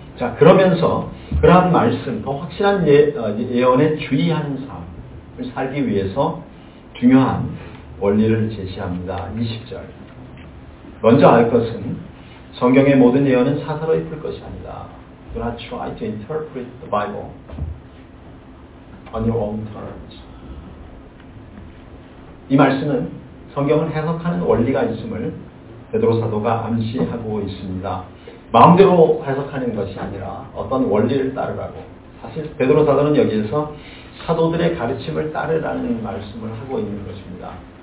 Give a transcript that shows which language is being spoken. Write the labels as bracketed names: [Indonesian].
[Korean] 자, 그러면서 그러한 말씀, 더 확실한 예언에 주의하는 삶을 살기 위해서 중요한 원리를 제시합니다. 20절. 먼저 알 것은 성경의 모든 예언은 사사로이 풀 것이 아니다. [English] Do not try to interpret the Bible on your own terms. [Korean] 이 말씀은 성경을 해석하는 원리가 있음을 베드로 사도가 암시하고 있습니다. 마음대로 해석하는 것이 아니라 어떤 원리를 따르라고. 사실 베드로 사도는 여기에서 사도들의 가르침을 따르라는 말씀을 하고 있는 것입니다.